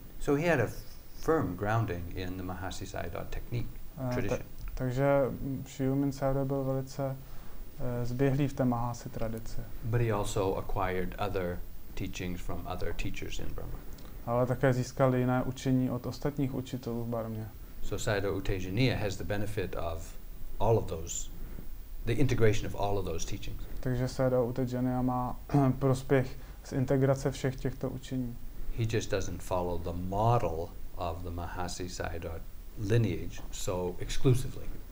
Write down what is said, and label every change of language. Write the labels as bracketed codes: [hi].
[en] So he had a firm grounding in the Mahasi Sayadaw technique tradition. [cs] Takže Shui U Min Sayadaw byl velice zběhlý v té Mahasi tradici. [en] But he also acquired other teachings from other teachers in Burma. [cs] Ale také získal jiné učení od ostatních učitelů v Barmě. [en] So Sayadaw Utejaniya has the benefit of all of those, the integration of all of those teachings. [cs] Takže Sayadaw Utejaniya má prospěch z integrace všech těchto učení. [en] He just doesn't follow the model of the Mahasi Sayadaw lineage so exclusively.